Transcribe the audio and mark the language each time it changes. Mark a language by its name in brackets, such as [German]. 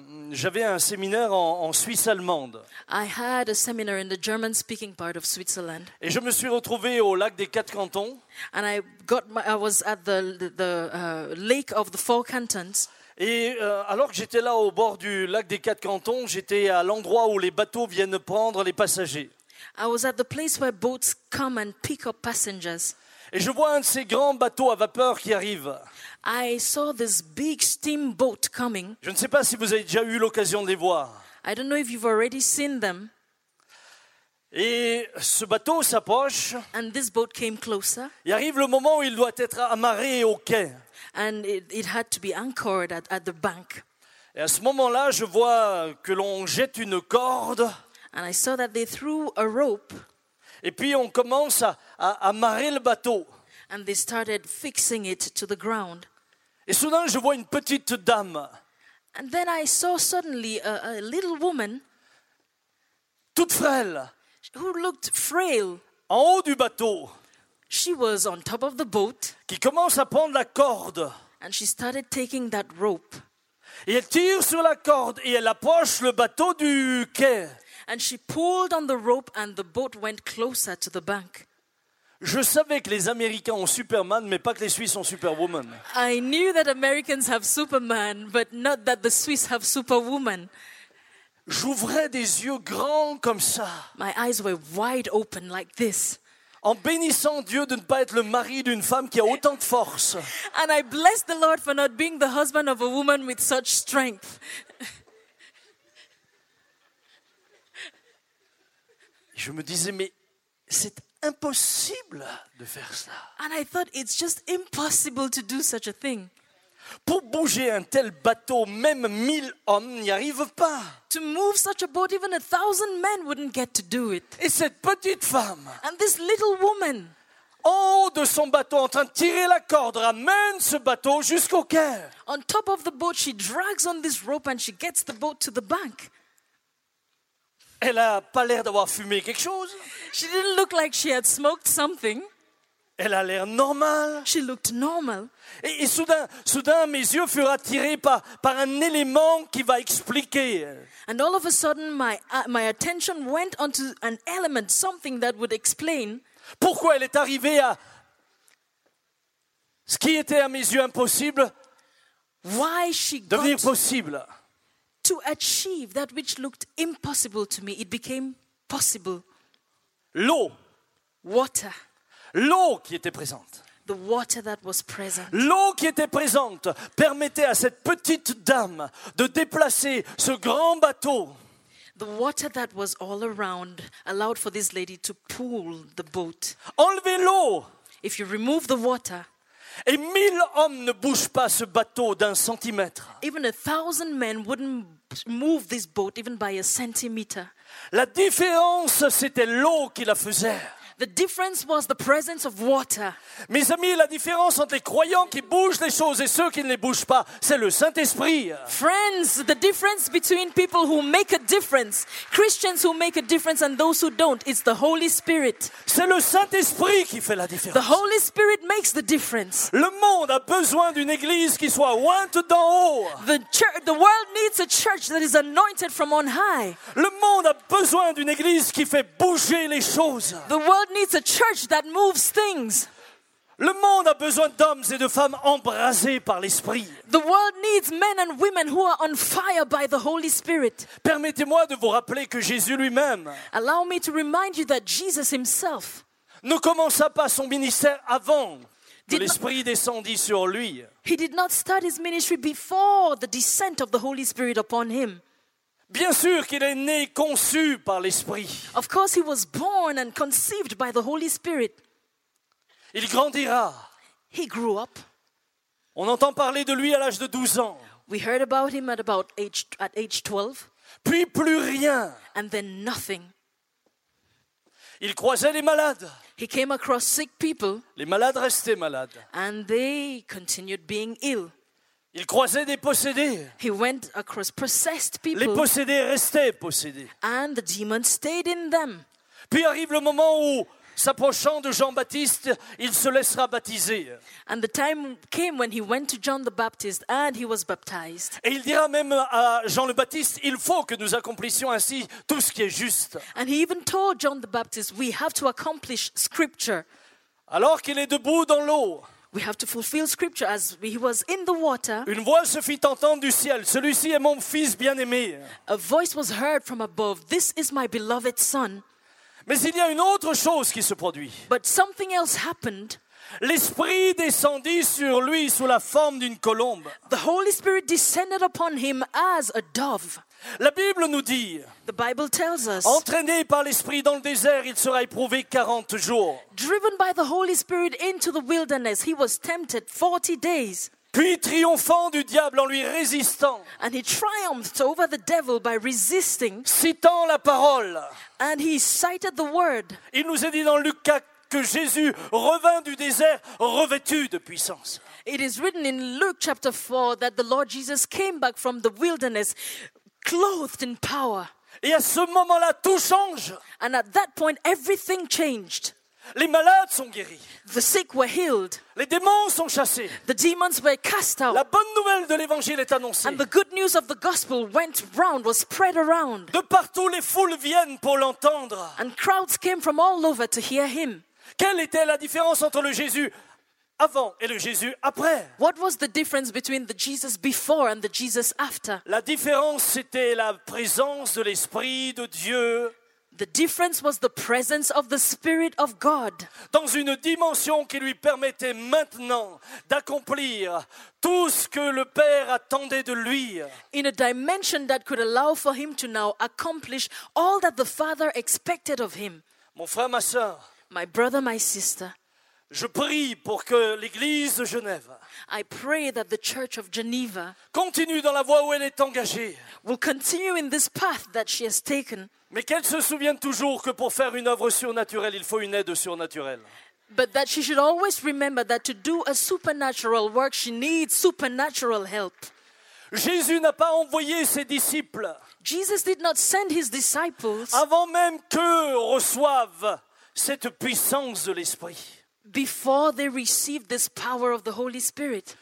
[French] j'avais un séminaire en Suisse allemande. [English] I had a seminar in the German speaking part of Switzerland. [French] Et je me suis retrouvé au lac des quatre cantons. [English] And I was at the lake of the four cantons. [French] Et alors que j'étais là au bord du lac des quatre cantons, j'étais à l'endroit où les bateaux viennent prendre les passagers. [English] I was at the place where boats come and pick up passengers. [French] Et je vois un de ces grands bateaux à vapeur qui arrive. [English] I saw this big steamboat coming. [French] Je ne sais pas si vous avez déjà eu l'occasion de les voir. [English] I don't know if you've already seen them. [French] Et ce bateau s'approche. [English] And this boat came closer. [French] Il arrive le moment où il doit être amarré au quai. [English] And it had to be anchored at the bank. [French] Et à ce moment-là, je vois que l'on jette une corde. [English] And I saw that they threw a rope. [French] Et puis on commence à amarrer le bateau. [English] And they started fixing it to the ground. [French] Et soudain, je vois une petite dame. [English] And then I saw suddenly a little woman. [French] Toute frêle. [English] Who looked frail. [French] En haut du bateau. [English] She was on top of the boat. [French] Qui commence à prendre la corde. [English] And she started taking that rope. [French] Et elle tire sur la corde et elle approche le bateau du quai. [English] And she pulled on the rope and the boat went closer to the bank. [French] Je savais que les Américains ont Superman, mais pas que les Suisses ont Superwoman. [English] I knew that Americans have Superman, but not that the Swiss have Superwoman. [French] J'ouvrais des yeux grands comme ça. [English] My eyes were wide open like this. [French] En bénissant Dieu de ne pas être le mari d'une femme qui a autant de force. [English] And I blessed the Lord for not being the husband of a woman with such strength. [French] Je me disais, mais c'est impossible de faire cela. [English] And I thought it's just impossible to do such a thing. [French] Pour bouger un tel bateau, même 1000 hommes n'y arrivent pas. [English] To move such a boat, even 1,000 men wouldn't get to do it. [French] Et cette petite femme. [English] And this little woman. [French] En haut de son bateau, en train de tirer la corde, ramène ce bateau jusqu'au quai. [English] On top of the boat, she drags on this rope and she gets the boat to the bank. [French] Elle a pas l'air d'avoir fumé quelque chose. [English] She didn't look like she had smoked something. [French] Elle a l'air normale. [English] She looked normal. [French] Et soudain, mes yeux furent attirés par un élément qui va expliquer. [English] And all of a sudden, my attention went onto an element, something that would explain. [French] Pourquoi elle est arrivée à ce qui était à mes yeux impossible devenir possible? [English] To achieve that which looked impossible to me, it became possible. [French] L'eau. [English] Water. [French] L'eau qui était présente. [English] The water that was present. [French] L'eau qui était présente permettait à cette petite dame de déplacer ce grand bateau. [English] The water that was all around allowed for this lady to pull the boat. [French] Enlevez l'eau. [English] If you remove the water, [French] et 1000 hommes ne bougent pas ce bateau d'un centimètre. [English] Even 1,000 men wouldn't move this boat even by a centimeter. [French] La différence, c'était l'eau qui la faisait. [English] The difference was the presence of water. [French] Mes amis, la différence entre les croyants qui bougent les choses et ceux qui ne les bougent pas, c'est le Saint-Esprit. [English] Friends, the difference between people who make a difference, Christians who make a difference and those who don't, it's the Holy Spirit. [French] C'est le Saint-Esprit qui fait la différence. [English] The Holy Spirit makes the difference. [French] Le monde a besoin d'une église qui soit ointe d'en haut. [English] The world needs a church that is anointed from on high. [French] Le monde a besoin d'une église qui fait bouger les choses. [English] The world needs a church that moves things. [French] Le monde a besoin d'hommes et de femmes embrasés par l'Esprit. [English] The world needs men and women who are on fire by the Holy Spirit. [French] Permettez-moi de vous rappeler que Jésus lui-même. [English] Allow me to remind you that Jesus himself. [French] Ne commença pas son ministère avant que l'Esprit descendit sur lui. [English] He did not start his ministry before the descent of the Holy Spirit upon him. [French] Bien sûr qu'il est né conçu par l'Esprit. [English] Of course he was born and conceived by the Holy Spirit. [French] Il grandira. [English] He grew up. [French] On entend parler de lui à l'âge de 12 ans. [English] We heard about him at age 12. [French] Puis plus rien. [English] And then nothing. [French] Il croisait les malades. [English] He came across sick people. [French] Les malades restaient malades. [English] And they continued being ill. [French] Il croisait des possédés. [English] He went across possessed people. [French] Les possédés restaient possédés. [English] And the demons stayed in them. [French] Puis arrive le moment où, s'approchant de Jean-Baptiste, il se laissera baptiser. [English] And the time came when he went to John the Baptist and he was baptized. [French] Et il dira même à Jean le Baptiste, il faut que nous accomplissions ainsi tout ce qui est juste. [English] And he even told John the Baptist, we have to accomplish scripture. [French] Alors qu'il est debout dans l'eau. [English] We have to fulfill scripture as he was in the water. [French] Une voix se fit entendre du ciel. Celui-ci est mon fils bien-aimé. [English] A voice was heard from above. This is my beloved son. [French] Mais il y a une autre chose qui se produit. [English] But something else happened. [French] L'Esprit descendit sur lui sous la forme d'une colombe. [English] The Holy Spirit descended upon him as a dove. [French] La Bible nous dit, [English] the Bible tells us, [French] entraîné par l'Esprit dans le désert, il sera éprouvé 40 jours. [English] Driven by the Holy Spirit into the wilderness, he was tempted 40 days. [French] Puis triomphant du diable en lui résistant. [English] And he triumphed over the devil by resisting. [French] Citant la parole. [English] And he cited the word. [French] Il nous est dit dans Luc 4 que Jésus revint du désert revêtu de puissance. [English] It is written in Luke chapter 4 that the Lord Jesus came back from the wilderness clothed in power. [French] Et à ce moment-là, tout change. [English] And at that point, everything changed. [French] Les malades sont guéris. [English] The sick were healed. [French] Les démons sont chassés. [English] The demons were cast out. [French] La bonne nouvelle de l'évangile est annoncée. [English] And the good news of the gospel went round, was spread around. [French] De partout, les foules viennent pour l'entendre. [English] And crowds came from all over to hear him. [French] Quelle était la différence entre le Jésus avant et le Jésus après? [English] What was the difference between the Jesus before and the Jesus after? [French] La différence, c'était la présence de l'Esprit de Dieu. [English] The difference was the presence of the Spirit of God. [French] Dans une dimension qui lui permettait maintenant d'accomplir tout ce que le Père attendait de lui. [English] In a dimension that could allow for him to now accomplish all that the Father expected of him. [French] Mon frère, ma sœur. [English] My brother, my sister. [French] Je prie pour que l'Église de Genève. [English] I pray that the Church of Geneva [French] continue dans la voie où elle est engagée. [English] Will continue in this path that she has taken. [French] Mais qu'elle se souvienne toujours que pour faire une œuvre surnaturelle, il faut une aide surnaturelle. [English] But that she should always remember that to do a supernatural work, she needs supernatural help. [French] Jésus n'a pas envoyé ses disciples. [English] Jesus did not send his disciples [French] avant même qu'eux reçoivent cette puissance de l'Esprit. [English] Before they received this power of the Holy Spirit.